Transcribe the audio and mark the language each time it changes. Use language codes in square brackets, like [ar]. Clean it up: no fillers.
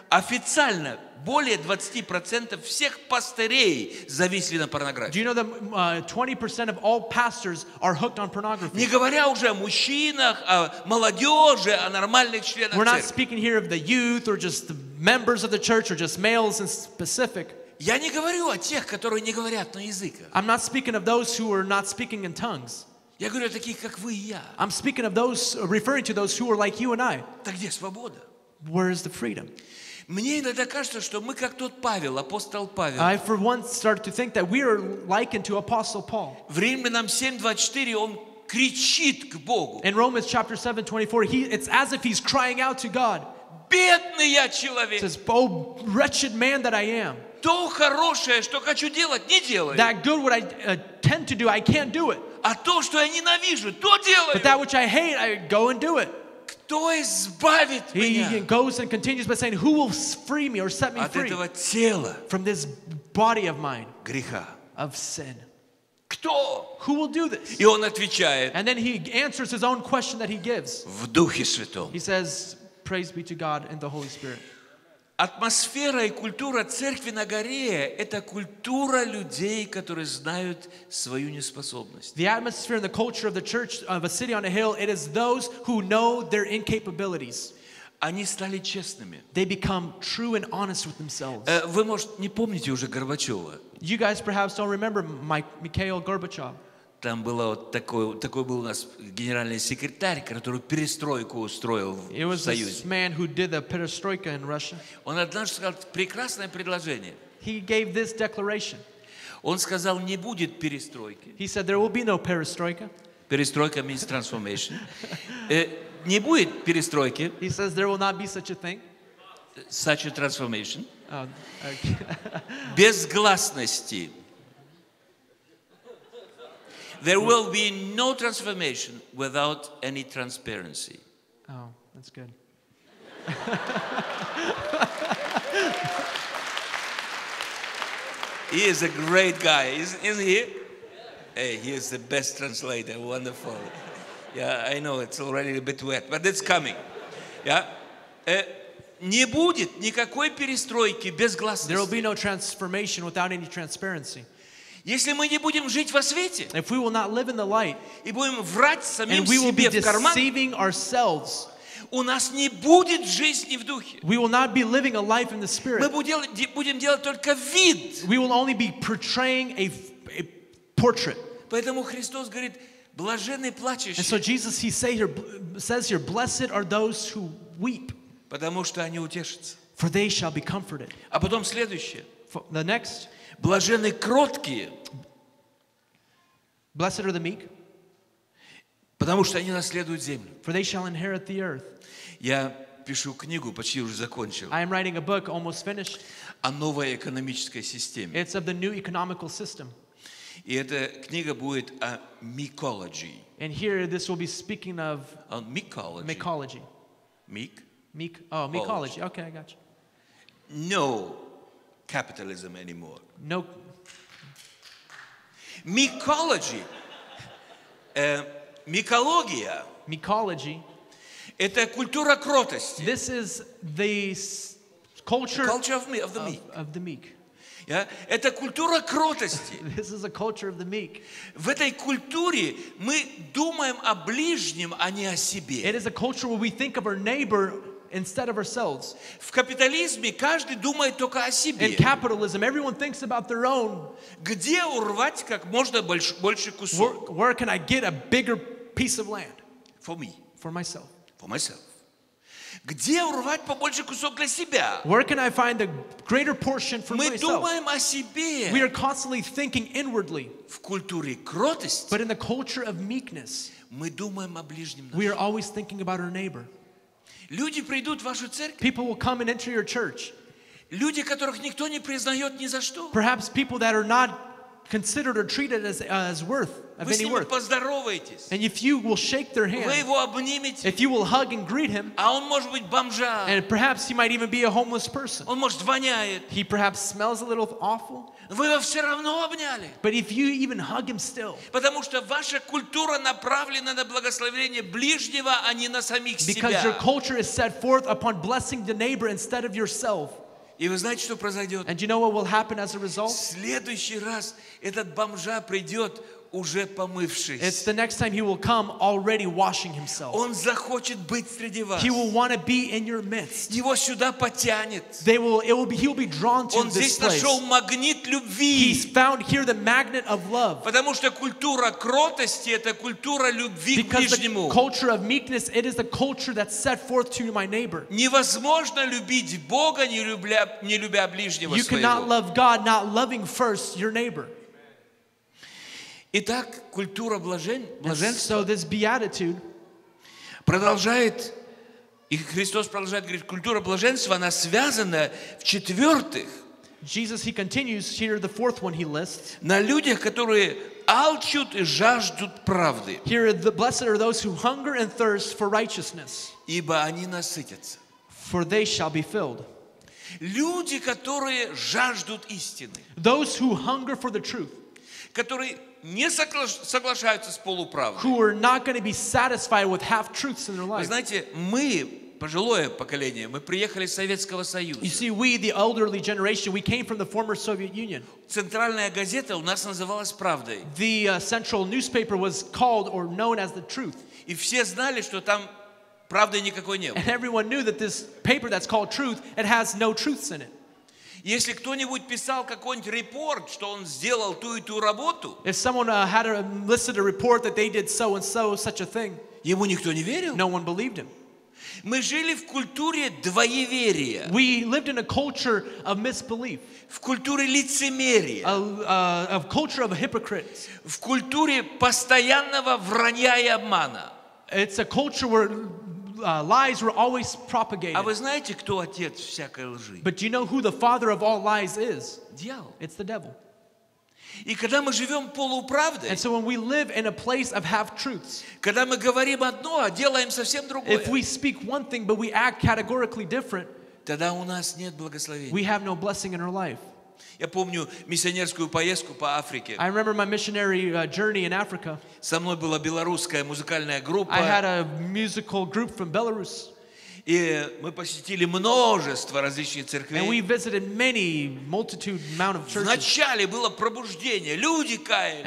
[ru] официально более 20% всех пастырей зависли на порнографии. [en] Do you know that 20% of all pastors are hooked on pornography? [ru] Не говоря уже о мужчинах, о молодежи, о нормальных членах церкви. [en] We're not speaking here of the youth or just the members of the church or just males in specific. [ru] Я не говорю о тех, которые не говорят на языках. [en] I'm not speaking of those who are not speaking in tongues. [ru] Я говорю о таких, как вы и я. [en] I'm speaking of those, referring to those who are like you and I. [ru] Так где свобода? [en] Where is the freedom? [ru] Мне иногда кажется, что мы как тот Павел, апостол Павел. [en] I for once start to think that we are likened to Apostle Paul. [ru] В Римлянам 7:24 он кричит к Богу. [en] In Romans chapter 7:24, it's as if he's crying out to God. [ru] Бедный я человек. [en] Says, oh, wretched man that I am. [ru] То хорошее, что хочу делать, не делаю. [en] That good what I tend to do, I can't do it. [ru] А то, что я ненавижу, то делаю. [en] But that which I hate, I go and do it. [ru] Кто избавит меня? [en] He goes and continues by saying, "Who will free me or set me free?" [ru] От этого тела. [en] From this body of mine. [ru] Греха. [en] Of sin. [ru] Кто? [en] Who will do this? [ru] И он отвечает. [en] And then he answers his own question that he gives. [ru] В Духе Святом. [en] He says, "Praise be to God in the Holy Spirit." [ru] Атмосфера и культура церкви на горе – это культура людей, которые знают свою неспособность. [en] The atmosphere and the culture of the church of a city on a hill – it is those who know their incapabilities. [ru] Они стали честными. [en] They become true and honest with themselves. [ru] Вы, может, не помните уже Горбачева? [en] You guys perhaps don't remember Mikhail Gorbachev. [ru] Там был вот такой был у нас генеральный секретарь, который перестройку устроил в Союзе. [en] Man who did the perestroika in Russia. [ru] Он однажды сказал прекрасное предложение. [en] He gave this declaration. [ru] Он сказал, не будет перестройки. [en] He said there will be no perestroika. [ru] Перестройка [en] means transformation. [ru] Не будет перестройки. [en] He says there will not be such a thing. Such a transformation. Okay. [ru] Безгласности. [en] There will be no transformation without any transparency. Oh, that's good. He is a great guy, isn't he? Hey, he is the best translator, wonderful. Yeah, I know it's already a bit wet, but it's coming. Yeah? [ru] Не будет никакой перестройки без гласности. [en] There will be no transformation without any transparency. [ru] Если мы не будем жить во свете, [en] if we will not live in the light, [ru] и будем врать самим себе в карман, [en] and we will be deceiving ourselves, [ru] у нас не будет жизни в духе. [en] We will not be living a life in the spirit. [ru] Мы будем делать только вид. [en] We will only be portraying a portrait. [ru] Поэтому Христос говорит, блаженны плачущие. [en] And so Jesus, he says here, blessed are those who weep. [ru] Потому что они утешатся. [en] For they shall be comforted. [ru] А потом следующее. [en] The next. [ru] Блаженны кроткие. [en] Blessed are the meek. [ru] Потому что они наследуют землю. [en] For they shall inherit the earth. [ru] Я пишу книгу, почти уже закончил. [en] I am writing a book, almost finished. [ru] О новой экономической системе. [en] It's of the new economical system. [ru] И эта книга будет о микологии. [en] And here this will be speaking of [ru] микологии. Микологии. [en] Meek? Meek. Oh, [ru] микологии. [en] Okay, I got you. No. Capitalism anymore. Nope. Mycology. Mycologia. Mycology. [ru] Это культура кротости. [en] This is the culture. The culture of the meek. Of the meek. Yeah. [ru] Это культура кротости. [en] This is a culture of the meek. [ru] В этой культуре мы думаем о ближнем, а не о себе. [en] It is a culture where we think of our neighbor instead of ourselves. [ru] В капитализме каждый думает только о себе. [en] In capitalism, everyone thinks about their own. [ru] Где урвать как можно больше кусок? [en] Where can I get a bigger piece of land? For me. For myself. For myself. [ru] Где урвать побольше кусок для себя? [en] Where can I find a greater portion for myself? [ru] Мы думаем о себе. [en] We are constantly thinking inwardly. [ru] В культуре кротости. [en] But in the culture of meekness. [ru] Мы думаем о ближнем. [en] We are always thinking about our neighbor. [ru] Люди придут в вашу церковь. [en] People will come and enter your church. [ru] Люди, которых никто не признает ни за что. [en] Perhaps people that are not considered or treated as worth of any worth. [ru] Вы с ним поздороваетесь. [en] And if you will shake their hand. [ru] Вы его обнимете. [en] If you will hug and greet him. [ru] А он может быть бомжа. [en] And perhaps he might even be a homeless person. [ru] Он может воняет. [en] He perhaps smells a little awful. [ru] Вы его все равно обняли. [en] But if you even hug him still. [ru] Потому что ваша культура направлена на благословение ближнего, а не на самих себя. [en] Because your culture is set forth upon blessing the neighbor instead of yourself. [ru] И вы знаете, что произойдет? [en] And you know what will happen as a result? [ru] В следующий раз этот бомжа придет уже помывшись. [en] It's the next time he will come already washing himself. [ru] Он захочет быть среди вас. [en] He will want to be in your midst. [ru] Его сюда потянет. [en] He will be drawn to this place. [ru] Он здесь нашел магнит любви. [en] He's found here the magnet of love. [ru] Потому что культура кротости это культура любви к ближнему. [en] Because the culture of meekness it is the culture that's set forth to my neighbor. [ru] Невозможно любить Бога не любя ближнего своего. [en] You cannot love God not loving first your neighbor. [ru] Итак, культура блаженства [en] so this beatitude, [ru] продолжает, и Христос продолжает говорить, культура блаженства, она связана в четвертых. [en] Jesus, he continues here, the fourth one he lists. [ru] На людях, которые алчут и жаждут правды. [en] Here, the blessed are those who hunger and thirst for righteousness. [ru] Ибо они насытятся. [en] For they shall be filled. [ru] Люди, которые жаждут истины. [en] Those who hunger for the truth. [ru] Которые не соглашаются с полуправдой. [en] Who are not going to be satisfied with half-truths in their life. [ru] Вы знаете, мы пожилое поколение, мы приехали из Советского Союза. [en] You see, we, the elderly generation, we came from the former Soviet Union. [ru] Центральная газета у нас называлась «Правдой». [en] The central newspaper was called or known as the Truth. [ru] И все знали, что там правды никакой не было. [en] And everyone knew that this paper that's called Truth, it has no truths in it. [ru] Если кто-нибудь писал какой-нибудь репорт, что он сделал ту и ту работу, [en] if someone had listed a report that they did so and so such a thing, [ru] ему никто не верил. [en] No one believed him. [ru] Мы жили в культуре двоеверия. [en] We lived in a culture of misbelief. [ru] В культуре лицемерия. [en] A culture of hypocrites. [ru] В культуре постоянного вранья и обмана. [en] It's a culture where lies were always propagated. [ru] А вы знаете, кто отец всякой лжи? [en] But do you know who the father of all lies is? [ru] Дьявол. [en] It's the devil. [ru] И когда мы живем полуправдой, [en] and so when we live in a place of half-truths, [ru] когда мы говорим одно, а делаем совсем другое, [en] if we speak one thing but we act categorically different, [ru] тогда у нас нет благословения. [en] We have no blessing in our life. [ru] Я помню миссионерскую поездку по Африке. [en] I remember my missionary journey in Africa. [ru] Со мной была белорусская музыкальная группа. [en] I had a musical group from Belarus. [ru] И мы посетили множество различных церквей. [en] And we visited many multitude amount of churches. [ru] Вначале было пробуждение, люди каялись.